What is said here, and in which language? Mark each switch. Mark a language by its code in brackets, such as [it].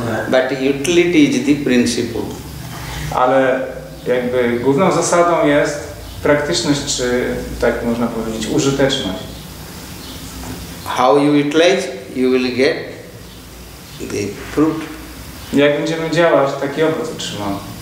[en] But utility is the principle. [pl] Ale jakby główną zasadą jest praktyczność, czy tak można powiedzieć, użyteczność. [en] How you utilize, you will get the fruit. [pl] Jak będziemy działać, taki owoc otrzymamy.